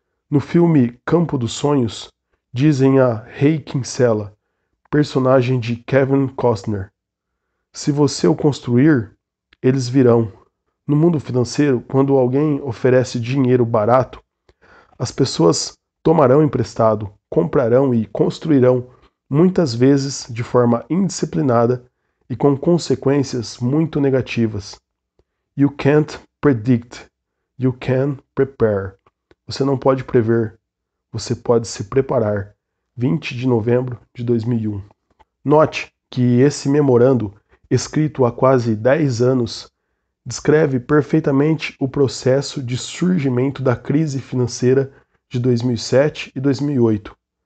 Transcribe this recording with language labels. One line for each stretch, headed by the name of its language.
Portuguese: No filme Campo dos Sonhos, dizem a Ray Kinsella, personagem de Kevin Costner: se você o construir, eles virão. No mundo financeiro, quando alguém oferece dinheiro barato, as pessoas tomarão emprestado, comprarão e construirão, muitas vezes de forma indisciplinada e com consequências muito negativas.
English: You can't predict, you can prepare.
Portuguese: Você não pode prever, você pode se preparar. 20 de novembro de 2001. Note que esse memorando, escrito há quase 10 anos, descreve perfeitamente o processo de surgimento da crise financeira de 2007 e 2008.